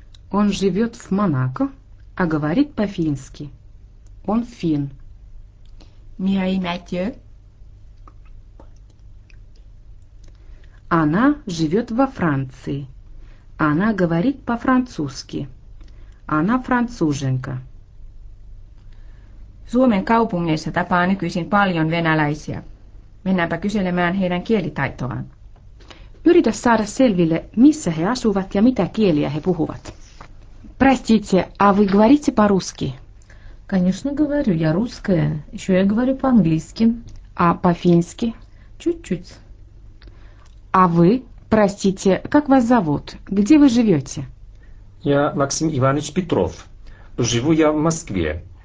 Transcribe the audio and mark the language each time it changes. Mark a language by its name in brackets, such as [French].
[Russian] Он живет в Монако, а говорит по-фински. Он фин. Мирей Матье. Она живет во Франции. Она говорит по-французски. Она француженка. [Finnish] Suomen kaupungeissa tapaa nykyisin paljon venäläisiä. Mennäänpä kyselemään heidän kielitaitoaan. Yritä saada selville, missä he asuvat ja mitä kieliä he puhuvat. [Russian] Простите, а вы говорите по-русски? Конечно, говорю. Я русская. Еще я говорю по-английски. А по-фински? Чуть-чуть. А вы, простите, как вас зовут? Где вы живете? Я Максим Иванович Петров. Живу я в Москве.